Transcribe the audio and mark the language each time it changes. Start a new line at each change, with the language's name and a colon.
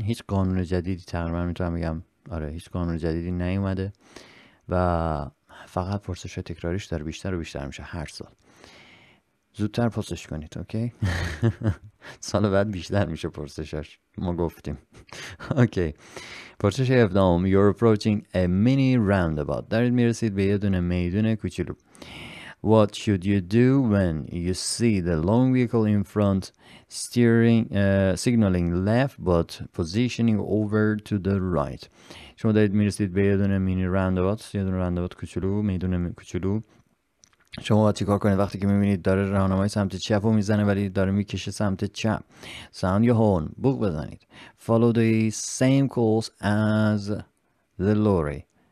Persian: هیچ قانون جدیدی تقریبا میتونم بگم آره هیچ قانون جدیدی نیومده و فقط پرسش تکراریش داره بیشتر و بیشتر میشه هر سال. زودتر پرسش کنید، اوکی؟ سال بعد بیشتر میشه پرسشش، ما گفتیم. اوکی. پرسش 17.
English: You're approaching a mini roundabout.
Persian: دارید میرسید به یه دونه میدون کوچولو.
English: What should you do when you see the long vehicle in front steering signaling left but positioning over to the right?
Persian: شما دارید میرسید به یه دونه مینی راندابات، یه دونه راندابات کوچولو، میدونه کوچولو. شما باید چیکار کنید وقتی که میبینید داره راهنمای سمت چپ رو میزنه ولی داره میکشه سمت چپ؟
English: Sound your horn.
Persian: بوق بزنید.
English: Follow the same course as the lorry.